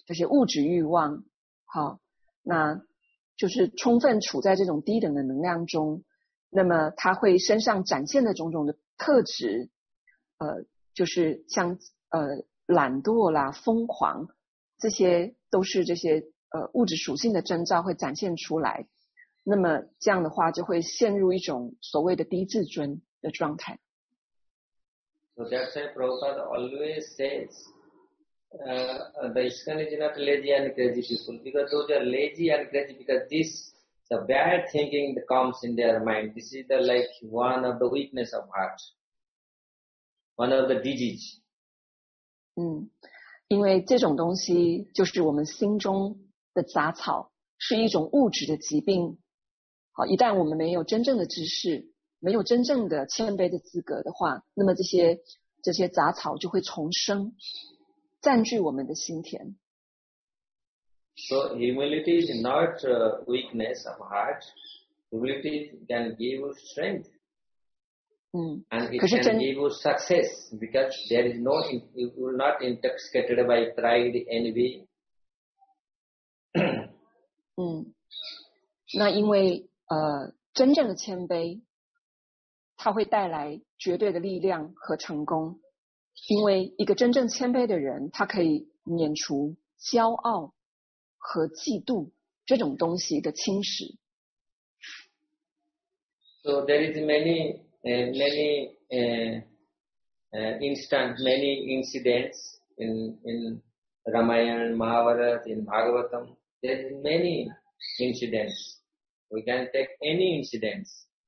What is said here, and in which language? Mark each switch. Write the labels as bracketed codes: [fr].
[zh] 物质欲望，好，那就是充分处在这种低等的能量中，那么他会身上展现的种种的特质，就是像懒惰啦、疯狂，这些都是这些。物质属性的征兆会展现出来，那么这样的话就会陷入一种所谓的低自尊的状态。 [en] So that's why Prabhupada always says, the ISKCON is not lazy and crazy people, because those are lazy and crazy because this the bad thinking that comes in their mind. This is the like one of the weakness of heart, one of the disease. [zh] 因为这种东西就是我们心中。的杂草是一种物质的疾病。好，一旦我们没有真正的知识，没有真正的谦卑的资格的话，那么这些杂草就会重生，占据我们的心田。 [en] So humility is not a weakness of heart. Humility can give you strength. And it can give you success because there is no, you will not intoxicated by pride, envy. [zh] 那因为真正的谦卑它会带来绝对的力量和成功，因为一个真正谦卑的人他可以免除骄傲和嫉妒这种东西的侵蚀。 [en] So there is many incidents in Ramayana, Mahabharata, in Bhagavatam. There are many incidents. We can take any incidents.